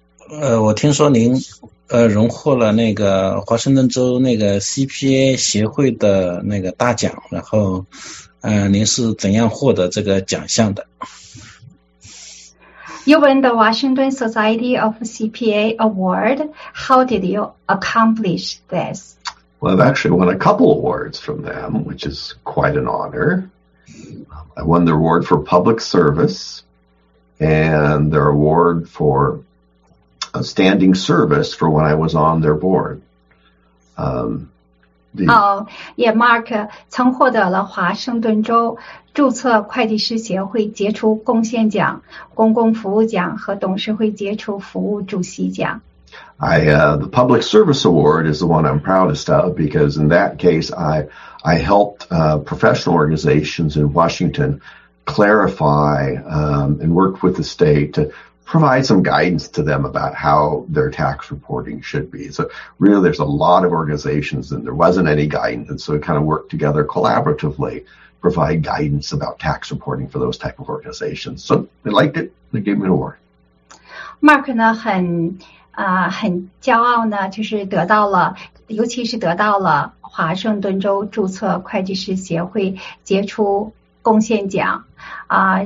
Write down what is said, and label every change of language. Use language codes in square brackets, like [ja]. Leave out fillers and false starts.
[zh] 我听说您荣获了那个华盛顿州那个 CPA 协会的那个大奖，然后您是怎样获得这个奖项的 [en] ？You won the Washington Society of CPA Award. How did you accomplish this? Well, I've actually won a couple awards from them, which is quite an honor. I won the award for public service and their award for a standing service for when I was on their board. [zh] Mark 曾获得了华盛顿州注册会计师协会杰出贡献奖、公共服务奖和董事会杰出服务主席奖。 [en] The Public Service Award is the one I'm proudest of because in that case, I helped professional organizations in Washington clarify and worked with the state to provide some guidance to them about how their tax reporting should be. So really, there's a lot of organizations and there wasn't any guidance. And so we kind of worked together collaboratively, provide guidance about tax reporting for those type of organizations. So they liked it. They gave me an award. [zh] Mark 呢很骄傲呢，就是得到了，尤其是得到了华盛顿州注册会计师协会杰出贡献奖啊。